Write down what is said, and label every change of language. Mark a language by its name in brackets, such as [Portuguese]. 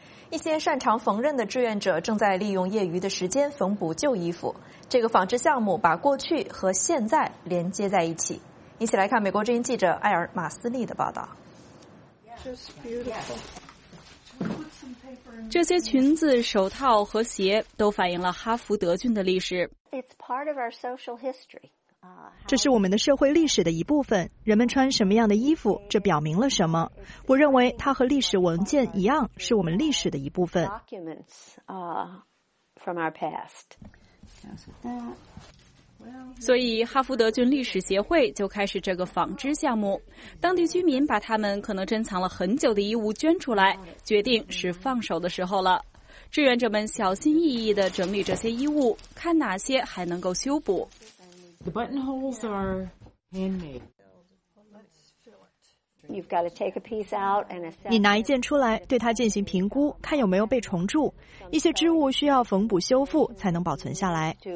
[Chinese] 一些擅长缝纫的志愿者正在利用业余的时间缝补旧衣服，这个纺织项目把过去和现在连接在一起。一起来看美国之音记者艾尔马斯利的报道。这些裙子、手套和鞋都反映了哈佛德郡的历史。 [English] It's part of our social history. [Chinese] 这是我们的社会历史的一部分，人们穿什么样的衣服，这表明了什么。我认为它和历史文件一样，是我们历史的一部分。所以哈佛德郡历史协会就开始这个纺织项目，当地居民把他们可能珍藏了很久的衣物捐出来，决定是放手的时候了。志愿者们小心翼翼地整理这些衣物，看哪些还能够修补。 [English] The buttonholes are handmade. You've got to take a piece out and assess. [Chinese] 你拿一件出来，对它进行评估，看有没有被虫蛀。一些织物需要缝补修复才能保存下来。